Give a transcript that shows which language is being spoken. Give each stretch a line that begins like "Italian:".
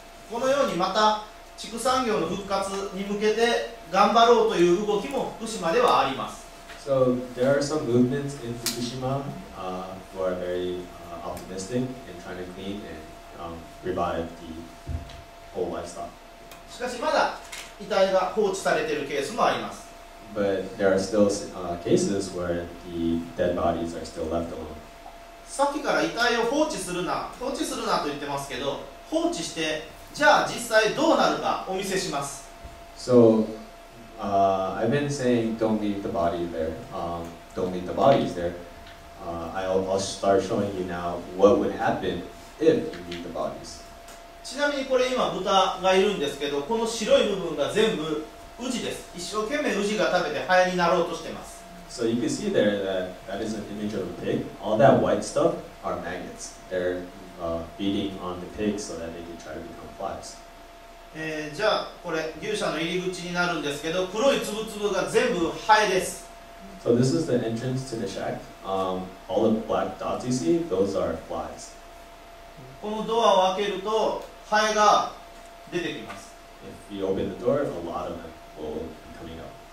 Japanese: このようにまた畜産業の復活に向けて頑張ろうという動きも福島ではあります。
English: So there are some movements in Fukushima who are very optimistic in trying to clean and revive the whole livestock.
Japanese: しかしまだ遺体が放置されているケースもあります。
English: But there are still cases where the dead bodies are still left alone.
Japanese: さっきから遺体を放置するな、放置するなと言ってますけど、放置して、じゃあ実際どうなるかお見せします。
English: So, I've been saying don't leave the body there. Don't leave the bodies there. I'll start showing you now what would happen if you leave the bodies.
Japanese: ちなみにこれ今豚がいるんですけど、この白い部分が全部ウジです。一生懸命ウジが食べてハエになろうとしてます。
English: So you can see there that is an image of a pig. All that white stuff are maggots. They're beating on the pigs so that they can try to become flies.
Japanese: じゃあこれ牛舎の入り口になるんですけど、黒いつぶつぶが全部ハエです。
English: So this is the entrance to the shack. All the black dots you see, those are flies.
Japanese: このドアを開けるとハエが出てきます。
English: If you open the door, a lot of them will be coming out.